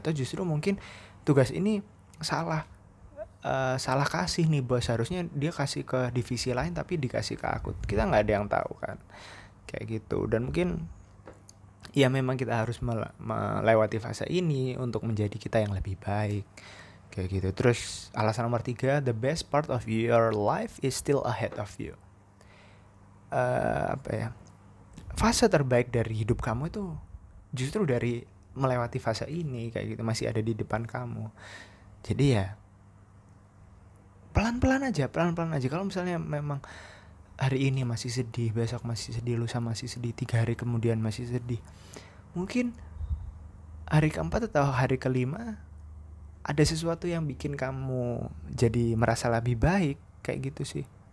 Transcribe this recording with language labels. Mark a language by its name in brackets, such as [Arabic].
[Indonesian] Atau justru mungkin tugas ini salah, salah kasih nih bos, harusnya dia kasih ke divisi lain tapi dikasih ke aku. Kita gak ada yang tahu kan, kayak gitu. Dan mungkin ya memang kita harus melewati fase ini untuk menjadi kita yang lebih baik. Kayak gitu. Terus alasan nomor 3, [English] the best part of your life is still ahead of you. [Indonesian] Apa ya? Fase terbaik dari hidup kamu itu justru dari melewati fase ini, kayak gitu, masih ada di depan kamu. Jadi ya pelan-pelan aja, pelan-pelan aja. Kalau misalnya memang hari ini masih sedih, besok masih sedih, lusa masih sedih, 3 hari kemudian masih sedih, mungkin hari keempat atau hari kelima ada sesuatu yang bikin kamu jadi merasa lebih baik. Kayak gitu sih.